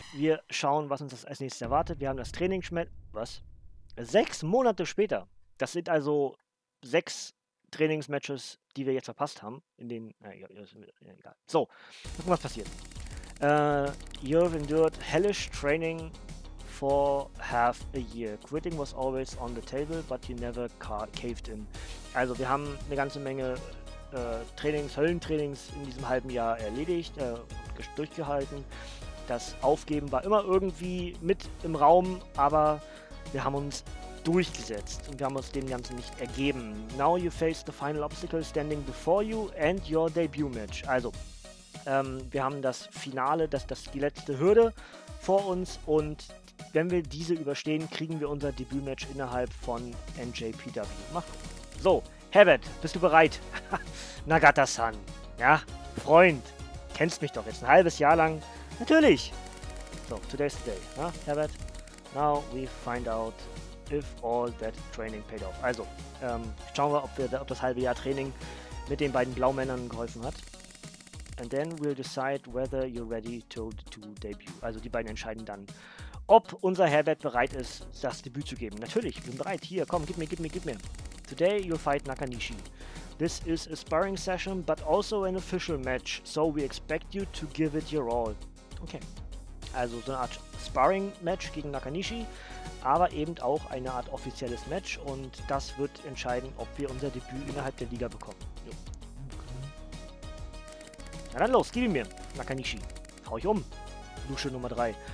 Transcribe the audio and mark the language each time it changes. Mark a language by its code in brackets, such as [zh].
[de] Wir schauen, was uns das als nächstes erwartet. Wir haben das Training schmeckt. Was? 6 Monate später. Das sind also 6 Trainingsmatches, die wir jetzt verpasst haben. In den. Egal. So, gucken, was passiert. [en] You have endured hellish training for half a year. Quitting was always on the table, but you never caved in. [de] Also, wir haben eine ganze Menge Trainings, Höllentrainings in diesem halben Jahr erledigt, durchgehalten. Das Aufgeben war immer irgendwie mit im Raum, aber wir haben uns durchgesetzt und wir haben uns dem Ganzen nicht ergeben. [en] Now you face the final obstacle standing before you and your debut match. [de] Also, wir haben das Finale, das die letzte Hürde vor uns, und wenn wir diese überstehen, kriegen wir unser Debütmatch innerhalb von NJPW. Mach. So, Herbert, bist du bereit? Nagata-san, ja, Freund, kennst mich doch jetzt ein halbes Jahr lang. Natürlich! [en] So, today's the day, ja, Herbert. Now we find out if all that training paid off. [de] Also, schauen wir, ob das halbe Jahr Training mit den beiden Blaumännern geholfen hat. [en] And then we'll decide whether you're ready to debut. [de] Also die beiden entscheiden dann, ob unser Herbert bereit ist, das Debüt zu geben. Natürlich, ich bin bereit. Hier, komm, gib mir. [en] Today you'll fight Nakanishi. This is a sparring session, but also an official match. So we expect you to give it your all. Okay. [de] Also so eine Art Sparring-Match gegen Nakanishi, aber eben auch eine Art offizielles Match. Und das wird entscheiden, ob wir unser Debüt innerhalb der Liga bekommen. Jo. Na dann los, gib ihn mir, Nakanishi. Hau ich um, Lusche Nummer 3.